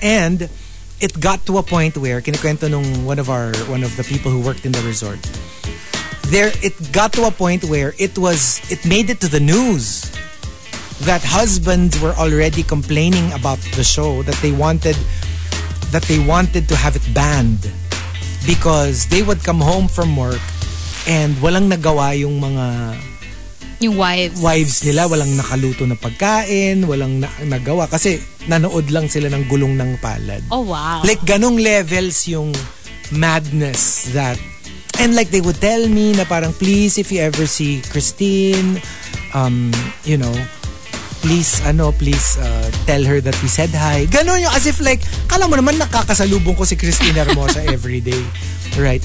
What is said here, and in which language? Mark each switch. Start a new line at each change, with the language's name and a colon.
English: And it got to a point where,
Filipino: kinikwento nung
English: one of the people who worked in the resort, it made it to the news that husbands were already complaining about the show, that they wanted to have it banned because they would come home from work and
Filipino: walang nagawa yung mga
English: yung wives
Filipino: nila, walang nakaluto na pagkain, walang nagawa kasi nanood lang sila ng gulong ng palad.
English: Oh wow. Like ganong levels yung madness that, and like they would tell me
Filipino: na parang,
English: "Please, if you ever see Christine, you know, please tell her that we said hi."
Filipino: Ganon yung,
English: as if like,
Filipino: kala mo naman nakakasalubong ko si Christine Hermosa
English: every day. Right.